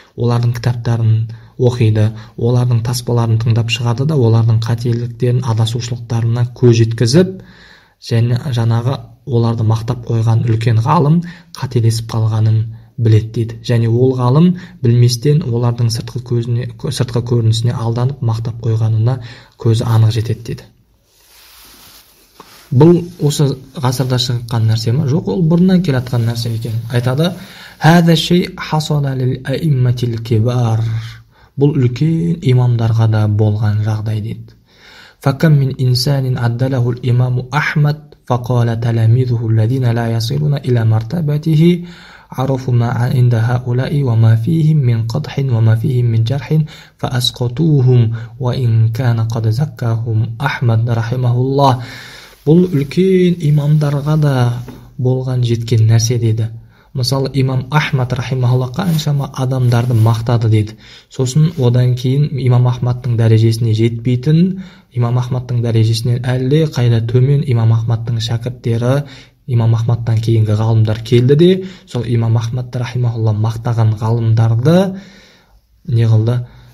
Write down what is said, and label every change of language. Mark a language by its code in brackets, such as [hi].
[kk] Олардың кітаптарын оқиды, олардың таспаларын тыңдап шығады да, олардың қателіктерін, адасушылықтарына көз жеткізіп, және жаңағы оларды мақтап қойған үлкен ғалым қателесіп қалғанын білет дейді. Және ол ғалым білместен олардың сыртқы көзіне, сыртқы көрінісіне алданып мақтап қойғанына көзі анық жетеді дейді. Бұл осы ғасырда шыққан нәрсе ма? Жоқ, ол бұрыннан келе жатқан нәрсе екен. [ar] Айтады: "Хаза шей хасана лил аиматил кибар." [kk] Бұл үлкен имамдарға да болған жағдай дейді. [ar] "Факам мин инсанин аддалаху имам Ахмад فقال تلاميذه الذين لا يصلون الى مرتبته عرفوا ما عند هؤلاء وما فيهم من قدح وما فيهم من جرح فاسقطوهم وان كان قد زكاهم احمد رحمه الله." [kk] Бұл үлкен имамдарға да болған жеткен нәрсе деді. Мысалы, имам Ахмад рахимахуллах қаншама адамдарды мақтады деді. Сосын одан кейін имам Ахмадтың дәрежесіне жетпейтін, имам Ахмадтың дәрежесінен әлде қайда төмен имам Ахмадтың шәкірттері, имам Ахмадтан кейінгі ғалымдар келді де, сол имам Ахмадты рахимахуллах мақтаған ғалымдарды не қылды?